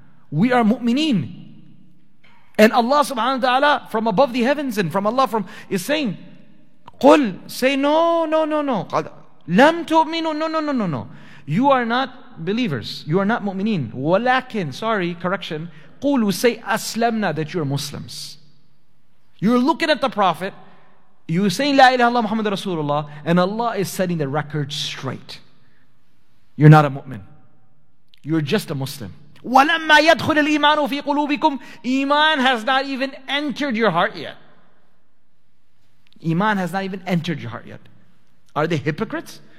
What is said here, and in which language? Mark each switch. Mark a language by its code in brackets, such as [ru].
[en] We are mu'mineen. And Allah subhanahu wa ta'ala from above the heavens and from Allah is saying, قُلْ, say no, no, no, no. [ar] لَمْ تُؤْمِنُوا, [en] no, no, no, no, no. You are not believers. You are not mu'mineen. وَلَكِنْ, sorry, correction. قُلُوا, say أَسْلَمْنَا, that you are Muslims. You're looking at the Prophet. You're saying [ar] لَا إِلَهَ اللَّهُ مُحَمَّدَ رَسُولُ اللَّهُ. [en] And Allah is setting the record straight. You're not a mu'min. You're just a Muslim. [ar] وَلَمَّا يَدْخُلِ الْإِيمَانُ فِي قُلُوبِكُمْ. [en] Iman has not even entered your heart yet. Iman has not even entered your heart yet. Are they hypocrites?